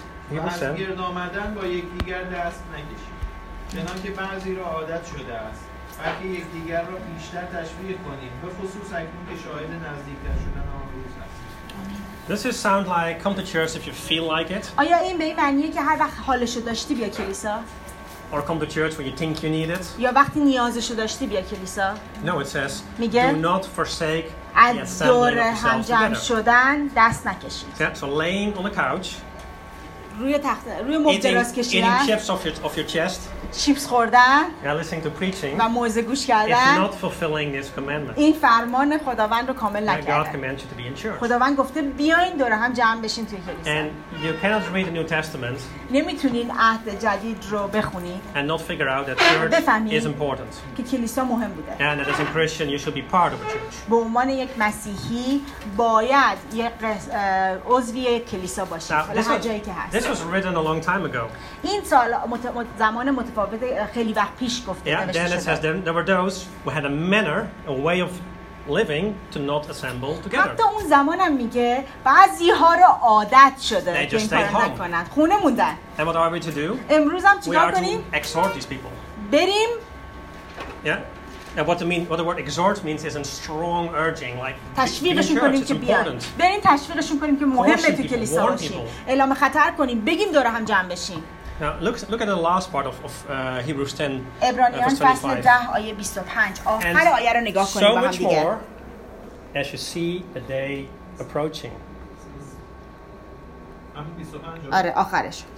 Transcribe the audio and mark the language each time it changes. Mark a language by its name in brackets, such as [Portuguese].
[Persian] و از گرد آمدن با یکدیگر دست نکشید چنان که بعضی را عادت شده است بلکه یکدیگر را بیشتر تشویق کنیم به خصوص اکنون که شاهد نزدیکتر شدن آن روز است. [English] This is sound like come to church if you feel like it. [Persian] آیا این به این معنیه که هر وقت حالشو داشتی بیا کلیسا؟ [English] Or come to church when you think you need it. [Persian] یا وقتی نیازشو داشتی بیا کلیسا. [English] No, it says. [Persian] میگه. [English] Do not forsake. [Persian] از دور هم جمع شدن دست نکشید. [English] Yeah, so laying on the couch. [Persian] روی تخت روی مبتلاس کشیدن. [English] Eating chips off your chest. [Persian] چیپس خوردن. [English] Yeah, listening to preaching. [Persian] و موعظه گوش کردن. [English] It's not fulfilling this commandment. [Persian] این فرمان خداوند رو کامل نکرده. [English] God commands you to be in church. [Persian] خداوند گفته بیاین دور هم جمع بشین توی کلیسا. [English] And you cannot read the New Testament. [Persian] نمیتونین عهد جدید رو بخونید. [English] And not figure out that church is important. [Persian] که کلیسا مهم بوده. [English] And that as a Christian you should be part of a church. [Persian] به عنوان یک مسیحی باید یک عضوی کلیسا باشید. هر جایی که هست. [English] This was written a long time ago. [Persian] این سال زمان متفاوت خیلی وقت پیش گفته شده. [English] Yeah, then it says there were those who had a manner, a way of living to not assemble together. [Persian] حتی اون زمانم میگه بعضی‌ها رو عادت شده که این کارو نکنن. خونه موندن. [English] And what are we to do? [Persian] امروز هم چیکار کنیم؟ [English] Exhort these people. [Persian] بریم. [English] Yeah. Now what the word exhort means is a strong urging, like [Persian] تشویقشون کنیم که بیان. بریم تشویقشون کنیم که مهمه تو کلیسا باشی. اعلام خطر کنیم. بگیم دور هم جمع بشیم. [English] Now look at the last part of Hebrews 10. [Persian] عبرانیان فصل 10 آیه 25. آخر آیه رو نگاه کنیم. [English] So much more as you see the day approaching. [Persian] آره آخرش.